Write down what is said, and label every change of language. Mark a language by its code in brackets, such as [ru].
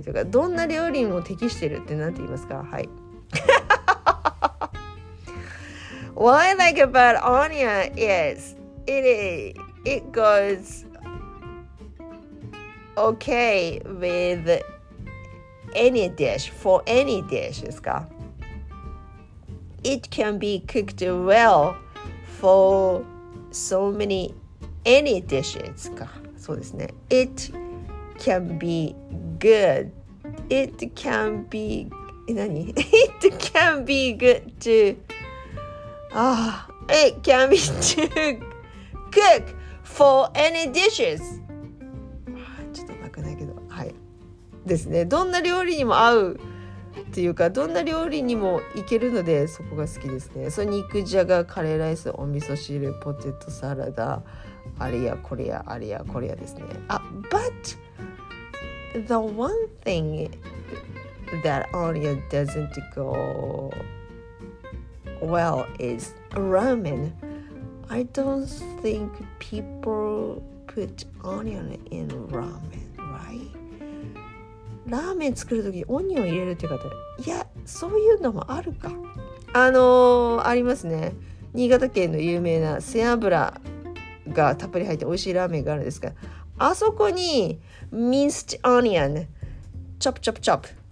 [ja] どんな料理にも適してるってなんて言いますか、はい、 [en] What I like about onion is it goes okay with any dish, for any dish [ja] ですか。 [en] It can be cooked well for so many any dishes [ja] か。そうですね。 [en] It can be good. It can be [ja] 何? [en] It can be good to It can be to cook for any dishes. [ja] ちょっとなくないけど、はい、ですね。どんな料理にも合うっていうか、どんな料理にもいけるので、そこが好きですね。そう、肉じゃが、カレーライス、お味噌汁、ポテトサラダ、あれやこれや、あれやこれやですね。あ、 [en] But the one thing that onion doesn't go well is ramen. I don't think people put onion in ramen, right? [ja] ラーメン作るときにオニオン入れるっていう方、いや、そういうのもあるか。ありますね。新潟県の有名な背脂がたっぷり入って美味しいラーメンがあるんですが、あそこにミンスオニオン、チョプチョプチョプ、